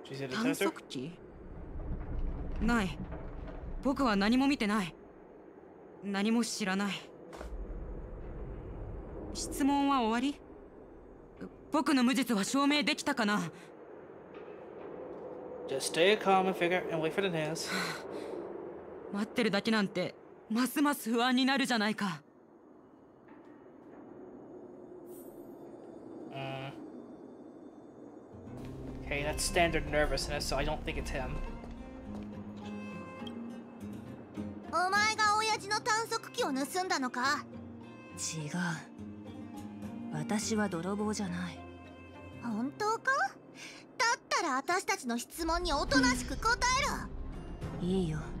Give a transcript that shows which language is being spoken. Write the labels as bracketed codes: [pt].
[ja] 探索機？ない。僕は何も見てない。何も知らない。質問は終わり？僕の無実は証明できたかな？ [en] Just stay calm and figure and wait for the news. [ja] 待ってるだけなんてますます不安になるじゃないか。 [en] Okay, that's standard nervousness, so I don't think it's him. [ja] お前が親父の探索機を盗んだのか？違う。私は泥棒じゃない。本当か？だったら私たちの質問におとなしく答えろ。いいよ。